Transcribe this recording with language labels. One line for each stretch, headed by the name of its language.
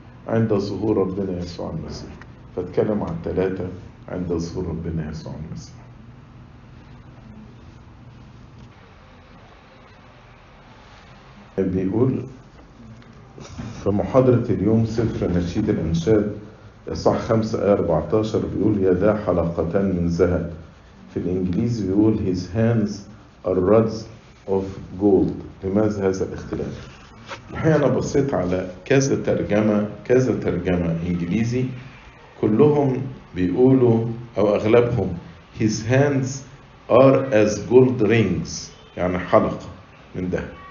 Arabic: عند ظهور ربنا يسوع المسيح. فاتكلم عن ثلاثة عند ظهور ربنا يسوع المسيح. بيقول في محاضرة اليوم سفر نشيد الإنشاد إصحاح 5:14 بيقول يا ذا حلقتان من ذهب.
English: في الإنجليزي بيقول his hands are rods of gold.
Arabic: لماذا هذا الاختلاف؟ الحقيقة أنا بصيت على كذا ترجمة إنجليزي كلهم بيقولوا أو أغلبهم
English: his hands are as gold rings،
Arabic: يعني حلقة من ذهب.